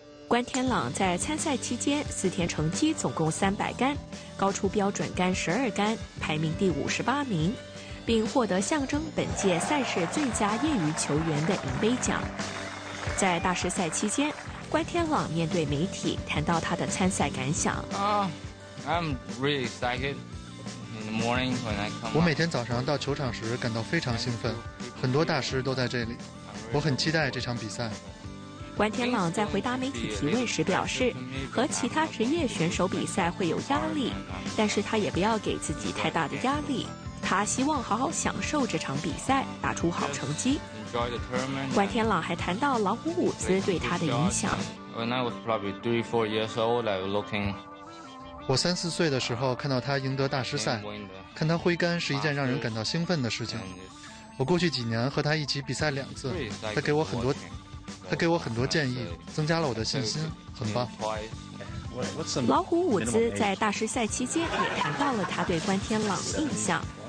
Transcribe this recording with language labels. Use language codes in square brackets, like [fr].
[zh] 关天朗在参赛期间4天成绩总共300杆，高出标准杆12杆，排名第58名，并获得象征本届赛事最佳业余球员的银杯奖。在大师赛期间，关天朗面对媒体谈到他的参赛感想。 [en] I'm really excited in the morning when I come. [zh] 我每天早上到球场时感到非常兴奋，很多大师都在这里，我很期待这场比赛。关天朗在回答媒体提问时表示，和其他职业选手比赛会有压力，但是他也不要给自己太大的压力，他希望好好享受这场比赛，打出好成绩。关天朗还谈到老虎伍兹对他的影响。 [en] When I was probably 3-4 years old, I was looking. [zh] 我3-4岁的时候看到他赢得大师赛，看他挥杆是一件让人感到兴奋的事情。我过去几年和他一起比赛2次，他给我很多建议，增加了我的信心，很棒。老虎伍兹在大师赛期间也谈到了他对关天朗的印象。